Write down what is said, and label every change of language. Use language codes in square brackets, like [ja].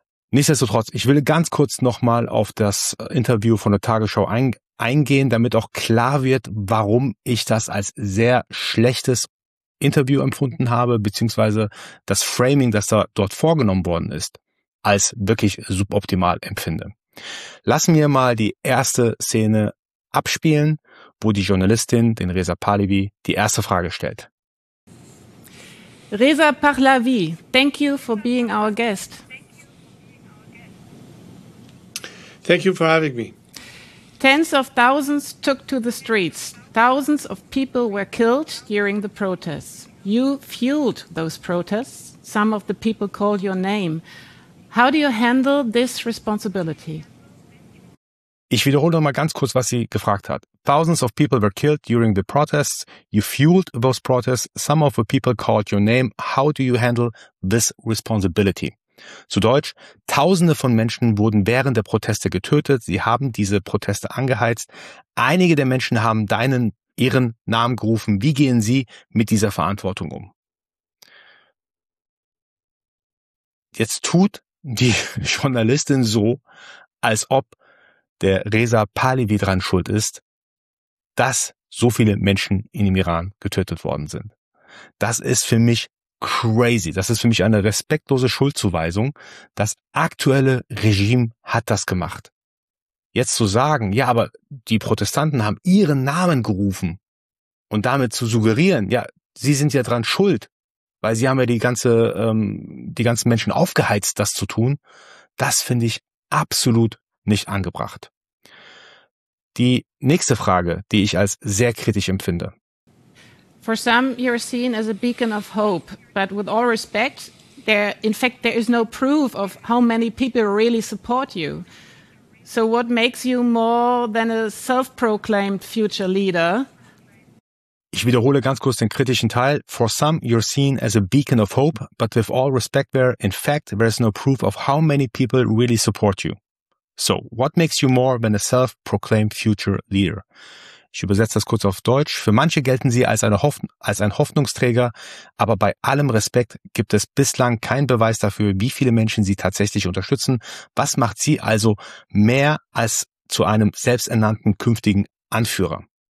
[de] Nichtsdestotrotz, ich will ganz kurz nochmal auf das Interview von der Tagesschau eingehen, damit auch klar wird, warum ich das als sehr schlechtes Interview empfunden habe, beziehungsweise das Framing, das da dort vorgenommen worden ist, als wirklich suboptimal empfinde. Lassen wir mal die erste Szene abspielen, wo die Journalistin, den Reza Pahlavi, die erste Frage stellt. [en] Reza Pahlavi, thank you for being our guest. Thank you for having me. Tens of thousands took to the streets. Thousands of people were killed during the protests. You fueled those protests. Some of the people called your name. How do you handle this responsibility? [de] Ich wiederhole noch mal ganz kurz, was sie gefragt hat. [en] Thousands of people were killed during the protests. You fueled those protests. Some of the people called your name. How do you handle this responsibility? [de] Zu Deutsch, Tausende von Menschen wurden während der Proteste getötet. Sie haben diese Proteste angeheizt. Einige der Menschen haben ihren Namen gerufen. Wie gehen Sie mit dieser Verantwortung um? Jetzt tut die Journalistin so, als ob der Reza Pahlavi dran schuld ist, dass so viele Menschen in dem Iran getötet worden sind. Das ist für mich crazy. Das ist für mich eine respektlose Schuldzuweisung. Das aktuelle Regime hat das gemacht. Jetzt zu sagen, ja, aber die Protestanten haben ihren Namen gerufen und damit zu suggerieren, ja, sie sind ja dran schuld, weil sie haben ja die ganzen Menschen aufgeheizt, das zu tun, das finde ich absolut nicht angebracht. Die nächste Frage, die ich als sehr kritisch empfinde. [en] For some, you're seen as a beacon of hope, but with all respect, there is no proof of how many people really support you. So what makes you more than a self-proclaimed future leader? [de] Ich wiederhole ganz kurz den kritischen Teil. [en] For some, you're seen as a beacon of hope, but with all respect, there is no proof of how many people really support you. So what makes you more than a self-proclaimed future leader? [de] Ich übersetze das kurz auf Deutsch. Für manche gelten sie als ein Hoffnungsträger, aber bei allem Respekt gibt es bislang keinen Beweis dafür, wie viele Menschen sie tatsächlich unterstützen. Was macht sie also mehr als zu einem selbsternannten künftigen Anführer?